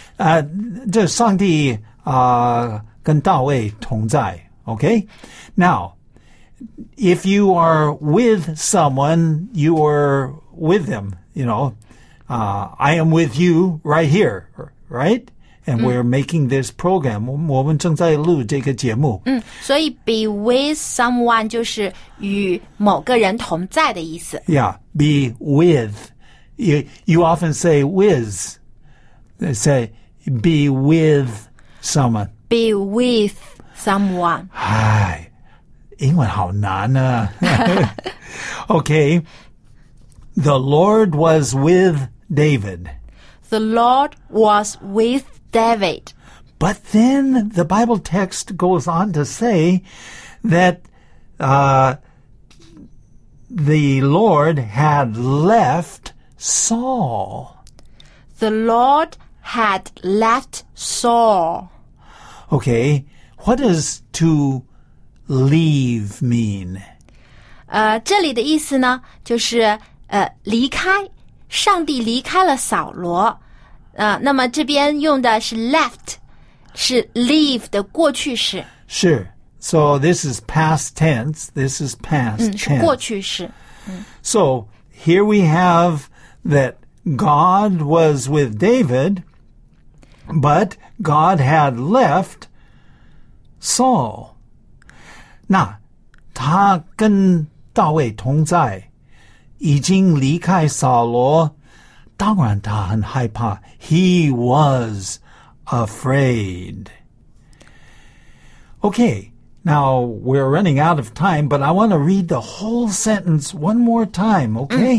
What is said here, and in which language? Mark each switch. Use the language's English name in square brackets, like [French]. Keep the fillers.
[Chinese] Uh, 这上帝, uh, 跟道位同在, okay. [English] Now, if you are with someone, you are with them. You know, uh, I am with you right here, right? And we're making this program. [Chinese] 我们正在录这个节目。嗯,所以 [English] be with someone [Chinese] 就是与某个人同在的意思。 [English] Yeah, be with. You, you often say with. They say be with someone. Be with someone. Hi. okay. The Lord was with David. The Lord was with David. But then the Bible text goes on to say that uh, the Lord had left Saul. The Lord had left Saul. Okay, What is to leave mean？ [Chinese] 呃，这里的意思呢，就是呃离开，上帝离开了扫罗，呃，那么这边用的是 uh, uh, uh, left，是 leave [English] sure. so this is past tense. This is past 嗯, tense. So here we have that God was with David, but God had left Saul. [Chinese] 那他跟大卫同在，已经离开扫罗，当然他很害怕。 [English] He was afraid. Okay, now we're running out of time, but I want to read the whole sentence one more time, okay?